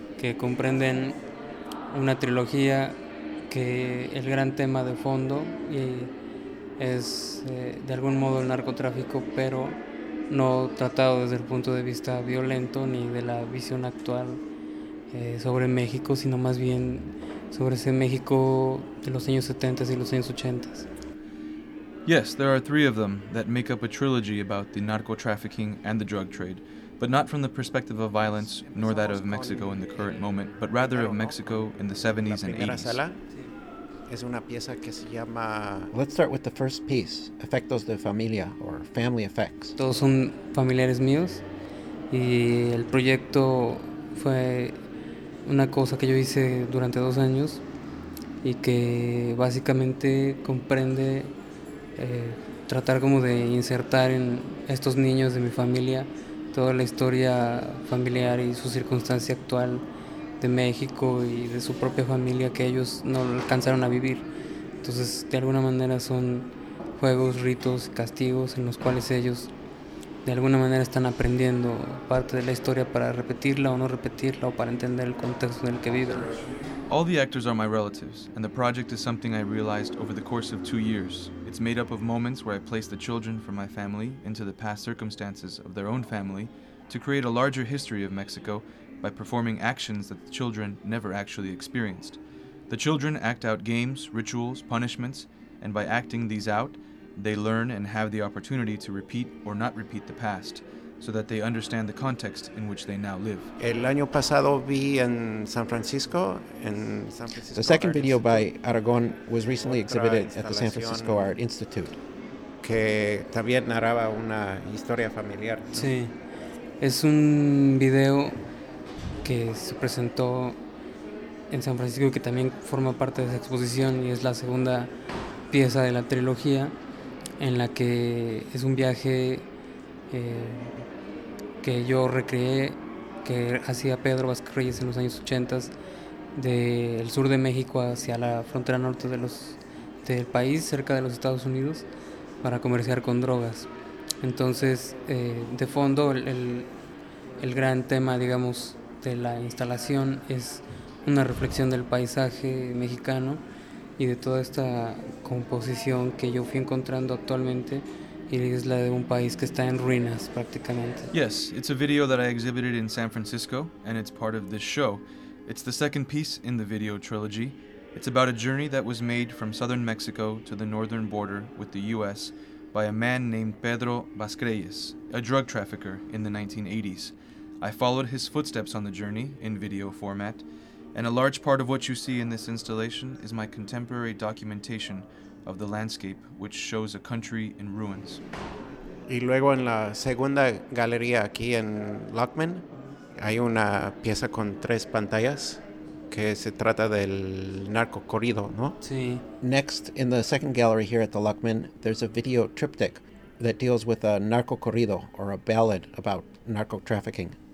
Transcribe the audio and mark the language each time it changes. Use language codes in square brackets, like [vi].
[es] Que comprenden una trilogía que el gran tema de fondo y es de algún modo el narcotráfico, pero no tratado desde el punto de vista violento ni de la visión actual sobre México, sino más bien sobre ese México de los años 70s y los años 80s. [en] Yes, there are three of them that make up a trilogy about the narco-trafficking and the drug trade, but not from the perspective of violence nor that of Mexico in the current moment, but rather of Mexico in the 70s and 80s. [es] Es una pieza que se llama... [en] Let's start with the first piece, Efectos de Familia, or Family Effects. [es] Todos son familiares míos, y el proyecto fue una cosa que yo hice durante dos años, y que básicamente comprende tratar como de insertar en estos niños de mi familia toda la historia familiar y su circunstancia actual de México y de su propia familia que ellos no alcanzaron a vivir. Entonces, de alguna manera son juegos, ritos, castigos en los cuales ellos de alguna manera están aprendiendo parte de la historia para repetirla o no repetirla o para entender el contexto en el que viven. [en] All the actors are my relatives, and the project is something I realized over the course of 2 years. It's made up of moments where I place the children from my family into the past circumstances of their own family to create a larger history of Mexico by performing actions that the children never actually experienced. The children act out games, rituals, punishments, and by acting these out, they learn and have the opportunity to repeat or not repeat the past, so that they understand the context in which they now live. [es] El año pasado vi en San Francisco, en San Francisco. [en] The second video by Aragon was recently exhibited at the San Francisco Art Institute. [es] Que también narraba una historia familiar, ¿no? Sí, es un video que se presentó en San Francisco y que también forma parte de esa exposición y es la segunda pieza de la trilogía en la que es un viaje que yo recreé que hacía Pedro Vázquez Reyes en los años 80 del sur de México hacia la frontera norte de del país, cerca de los Estados Unidos, para comerciar con drogas. Entonces, de fondo, el gran tema, digamos, de la instalación es una reflexión del paisaje mexicano y de toda esta composición que yo fui encontrando actualmente, y es la de un país que está en ruinas prácticamente. [en] Yes, it's a video that I exhibited in San Francisco, and it's part of this show. It's the second piece in the video trilogy. It's about a journey that was made from southern Mexico to the northern border with the U.S. by a man named Pedro Vázquez Reyes, a drug trafficker in the 1980s. I followed his footsteps on the journey in video format, and a large part of what you see in this installation is my contemporary documentation of the landscape, which shows a country in ruins. [es] Y luego en la segunda galería aquí en Lockman, hay una pieza con tres pantallas que se trata del narco corrido, ¿no? Sí. [en] Next, in the second gallery here at the Lockman, there's a video triptych that deals with a narco corrido, or a ballad about narco trafficking.